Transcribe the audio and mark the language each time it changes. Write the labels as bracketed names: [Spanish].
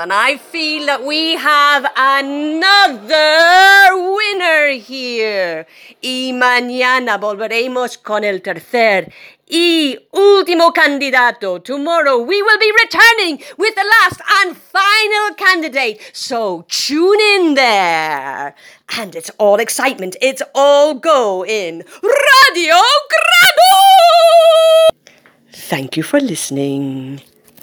[English] And I feel that we have another winner here. [Spanish] Y mañana volveremos con el tercer y último candidato. [English] Tomorrow we will be returning with the last and final candidate. So tune in there. And it's all excitement. It's all go in Radio Grado! Thank you for listening.